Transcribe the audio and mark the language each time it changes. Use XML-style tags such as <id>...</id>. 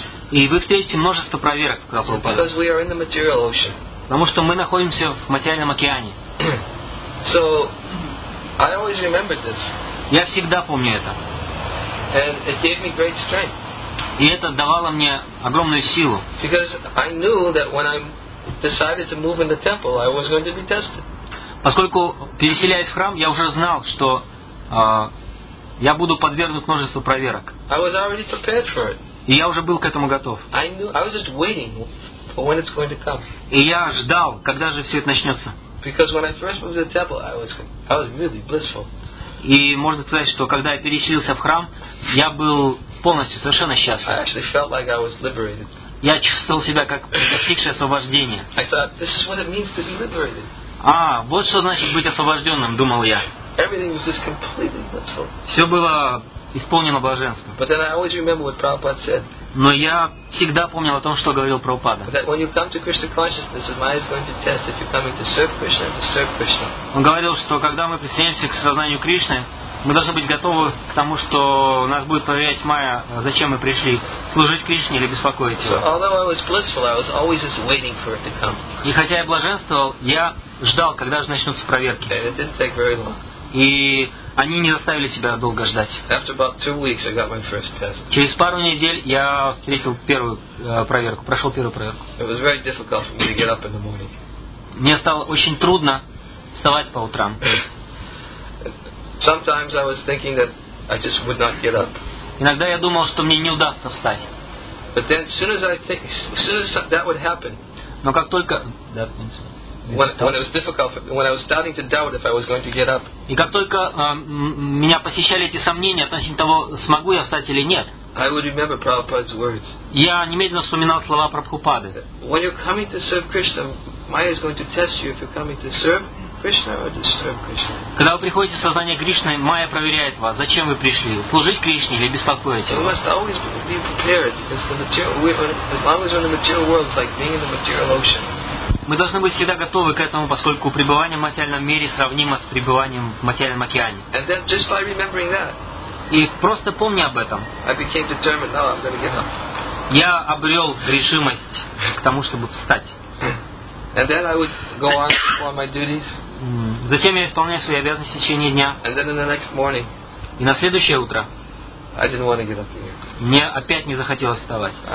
<ru>И вы встретите множество проверок, когда пропадете. Потому что мы находимся в материальном океане.</ru> <en>So, I always remembered this.</en> <ru>Я всегда помню это.</ru> <en>And it gave me great strength.</en> <ru>И это давало мне огромную силу.</ru> <en>Because I knew that when I decided to move in the temple, I was going to be tested.</en> <ru>Поскольку, переселяясь в храм, я уже знал, что я буду подвергнут множеству проверок.</ru> <en>I was already prepared for it.</en> <ru>И я уже был к этому готов.</ru> <en>I knew, I was just waiting for when it's going to come.</en> <ru>И я ждал, когда же все это начнется.</ru> <en>Because when I first moved to the temple, I was really blissful.</en> <ru>И можно сказать, что когда я переселился в храм, я был полностью совершенно счастлив.</ru> <en>I actually felt like I was liberated.</en> <ru>Я чувствовал себя как достигший освобождения.</ru> <en>I thought, this is what it means to be liberated.</en> <ru>А, вот что значит быть освобожденным, думал я.</ru> <en>Everything was just completely blissful.</en> <ru>Все было исполнено блаженством.</ru> <en>But then I always remember what Prabhupada said.</en> <ru>Но я всегда помнил о том, что говорил Прабхупада. Он говорил, что когда мы присоединимся к сознанию Кришны, мы должны быть готовы к тому, что нас будет проверять Майя, зачем мы пришли, служить Кришне или беспокоить его. И хотя я блаженствовал, я ждал, когда же начнутся проверки. И они не заставили себя долго ждать.</ru> <en>After about 2 weeks, I got my first test.</en> <ru>Через пару недель я встретил первую проверку, прошел первую проверку.</ru> <en>It was very difficult for me to get up in the morning.</en> <ru>Мне стало очень трудно вставать по утрам.</ru> <en>Sometimes I was thinking that I just would not get up.</en> <ru>Иногда я думал, что мне не удастся встать.</ru> <en>But then, as soon as that would happen.</en> <ru>Но как только и как только меня посещали эти сомнения относительно того, смогу я встать или нет,</ru> <en>I would remember Prabhupada's words.</en> <ru>Я немедленно вспоминал слова Прабхупады.</ru> <en>When you're coming to serve Krishna, Maya is going to test you if you're coming to serve Krishna or disturb Krishna.</en> <ru>Когда вы приходите в сознание Кришны, Майя проверяет вас, зачем вы пришли, служить Кришне или беспокоить</ru> <en>его. We must always be prepared because the material, as long as we're in the material world, it's like being in the material ocean.</en> <ru>Мы должны быть всегда готовы к этому, поскольку пребывание в материальном мире сравнимо с пребыванием в материальном океане.</ru> <en>And then, just by remembering that,</en> <ru>и просто помня об этом,</ru> <en>I became determined, no, I'm gonna get up.</en> <ru>Я обрел решимость к тому, чтобы встать.</ru> <en>And then I would go on for my duties.</en> <ru>Затем я исполняю свои обязанности в течение дня.</ru> <en>And then in the next morning,</en> <ru>и на следующее утро</ru> <en>I didn't want to get up.</en> <ru>Мне опять не захотелось вставать.</ru>